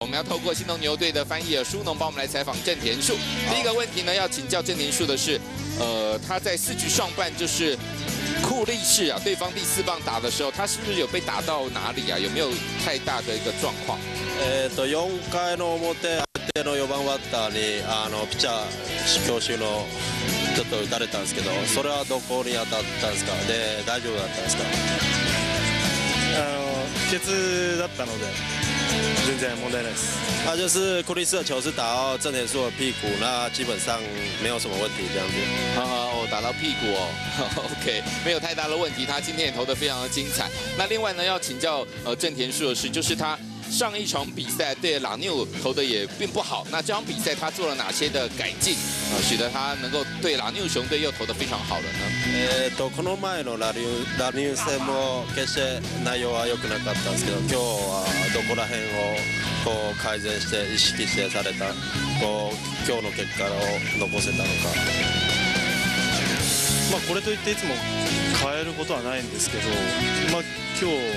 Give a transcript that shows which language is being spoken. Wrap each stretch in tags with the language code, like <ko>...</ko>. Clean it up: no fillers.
<zh>们要透过新农牛队的翻译舒农帮我们来采访郑田树。第一个问题呢，要请教郑田树的是，他在四局上半就是库力士啊，对方第四棒打的时候，他是不是有被打到哪里啊？有没有太大的一个状况？</zh> <ja>四回の表手の四番バッターにあのピッチャー強襲のちょっと打たれたんですけど、それはどこに当たったんですか？で大丈夫だったんですか？鉄だったので全然問題ないです。</ja> <zh>他就是库力士的球是打到郑田树的屁股，那基本上没有什么问题这样子。哦，打到屁股哦 ，OK， 没有太大的问题。他今天也投得非常的精彩。那另外呢，要请教郑田树的事，就是他上一场比赛对朗纽投的也并不好，那这场比赛他做了哪些的改进，使得他能够对朗纽熊队又投得非常好了呢？</zh> <ja>この前のラニュー戦も決して内容は良くなかったんですけど、今日はどこら辺をこう改善して意識してされた、こう今日の結果を残せたのか。まあこれといっていつも変えることはないんですけど、まあ今日。</ja>